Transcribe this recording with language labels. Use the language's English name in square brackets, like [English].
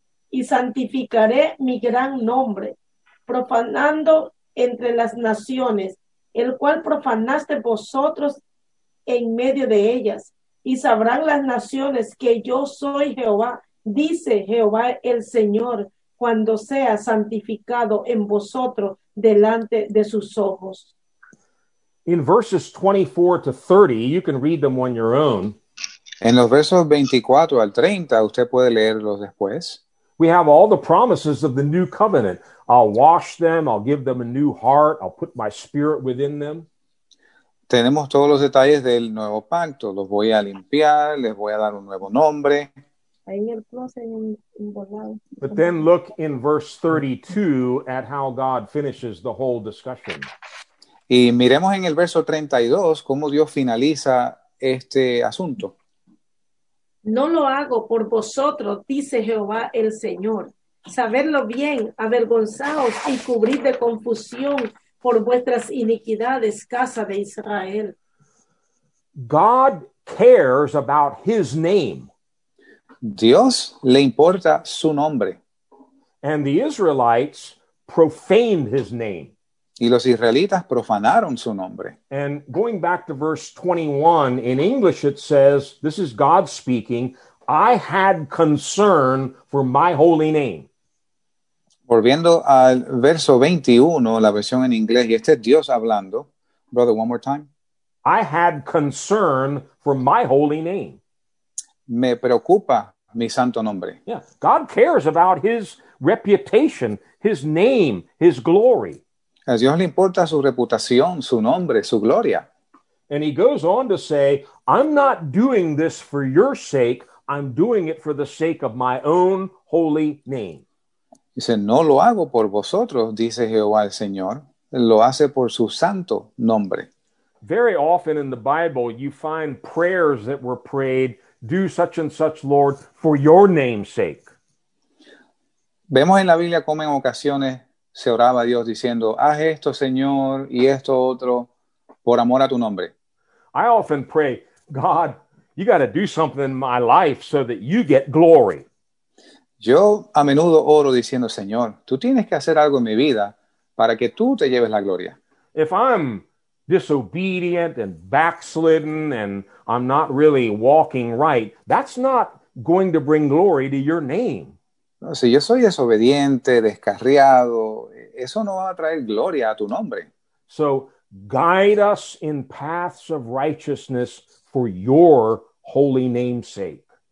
[Spanish] Y santificaré mi gran nombre, profanando entre las naciones, el cual profanaste vosotros en medio de ellas. Y sabrán las naciones que yo soy Jehová, dice Jehová el Señor, cuando sea santificado en vosotros delante de sus ojos. [English] In verses 24 to 30, you can read them on your own. [Spanish] En los versos 24 al 30, usted puede leerlos después. [English] We have all the promises of the new covenant. I'll wash them, I'll give them a new heart, I'll put my spirit within them. [Spanish] tenemos todos los detalles del nuevo pacto. Los voy a limpiar, les voy a dar un nuevo nombre. Ahí en el closet, en volado. [English] But then look in verse 32 at how God finishes the whole discussion. [Spanish] Y miremos en el verso 32 cómo Dios finaliza este asunto. No lo hago por vosotros, dice Jehová el Señor. Sabedlo bien, avergonzaos y cubrid de confusión por vuestras iniquidades, casa de Israel. [English] God cares about his name. [Spanish] Dios le importa su nombre. [English] And the Israelites profaned his name. [Spanish] Y los israelitas profanaron su nombre. [English] And going back to verse 21, in English it says, this is God speaking, I had concern for my holy name. [Spanish] Volviendo al verso 21, la versión en inglés, y este es Dios hablando. [English] Brother, one more time. I had concern for my holy name. [Spanish] Me preocupa mi santo nombre. [English] Yeah, God cares about his reputation, his name, his glory. [Spanish] A Dios le importa su reputación, su nombre, su gloria. [English] And he goes on to say, I'm not doing this for your sake, I'm doing it for the sake of my own holy name. [Spanish] Dice, no lo hago por vosotros, dice Jehová el Señor, lo hace por su santo nombre. [English] Very often in the Bible you find prayers that were prayed, do such and such, Lord, for your name's sake. [Spanish] Vemos en la Biblia cómo en ocasiones se oraba a Dios diciendo, haz esto, Señor, y esto otro, por amor a tu nombre. [English] I often pray, God, you got to do something in my life so that you get glory. [Spanish] Yo a menudo oro diciendo, Señor, tú tienes que hacer algo en mi vida para que tú te lleves la gloria. [English] If I'm disobedient and backslidden and I'm not really walking right, that's not going to bring glory to your name. [Spanish] No, si yo soy desobediente, descarriado, eso no va a traer gloria a tu nombre. [English] So guide us in paths of righteousness for your holy name's sake.